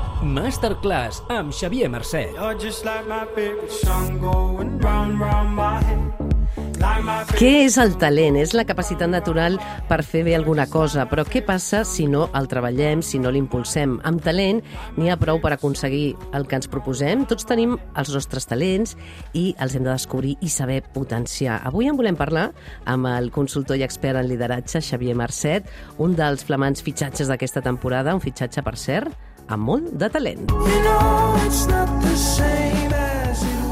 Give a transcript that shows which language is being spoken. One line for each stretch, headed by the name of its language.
Catalan: Masterclass amb Xavier Mercè.
English: You're just like my favorite song going round, round my head.
Catalan: Què és el talent? És la capacitat natural per fer bé alguna cosa. Però què passa si no el treballem, si no l'impulsem? Amb talent n'hi ha prou per aconseguir el que ens proposem. Tots tenim els nostres talents i els hem de descobrir i saber potenciar. Avui en volem parlar amb el consultor i expert en lideratge, Xavier Marcet, un dels flamants fitxatges d'aquesta temporada, un fitxatge, per cert, amb molt de talent.
English: You know it's not the same.